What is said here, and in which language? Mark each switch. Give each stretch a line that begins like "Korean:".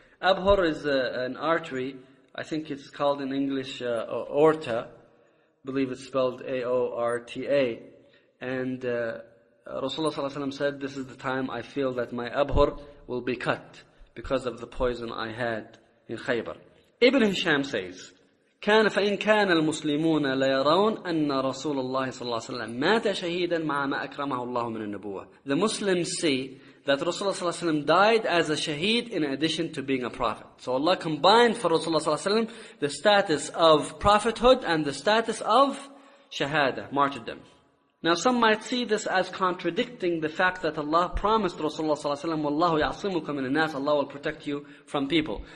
English: Abhur is an artery, I think it's called in English aorta, I believe it's spelled A-O-R-T-A, and Rasulullah ﷺ said, "This is the time I feel that my abhur will be cut because of the poison I had in Khaybar." Ibn Hisham says,
Arabic: "كان فإن كان المسلمون لا يرون أن رسول الله صلى الله عليه وسلم مات شهيدا مع ما أكرمه الله من النبوة."
English: The Muslims see that that Rasulullah sallallahu alayhi wa sallam died as a shaheed in addition to being a prophet. So Allah combined for Rasulullah sallallahu alayhi wa sallam the status of prophethood and the status of shahada, martyrdom. Now some might see this as contradicting the fact that Allah promised Rasulullah sallallahu alayhi wa sallam,
Arabic: وَاللَّهُ يَعْصِمُكَ مِنَ النَّاسِ,
English: Allah will protect you from people.